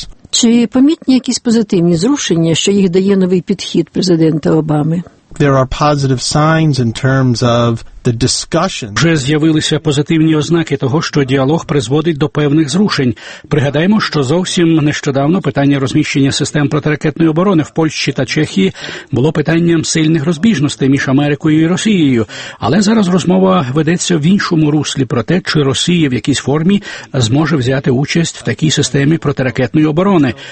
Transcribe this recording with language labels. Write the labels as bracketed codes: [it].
[uk] Чи помітні якісь позитивні зрушення, що їх дає новий підхід президента Обами? [en] There are positive signs in terms of the discussion. [uk] Вже з'явилися позитивні ознаки того, що діалог призводить до певних зрушень. Пригадаємо, що зовсім нещодавно питання розміщення систем протиракетної оборони в Польщі та Чехії було питанням сильних розбіжностей між Америкою і Росією. Але зараз розмова ведеться в іншому руслі про те, чи Росія в якійсь формі зможе взяти участь в такій системі протиракетної оборони.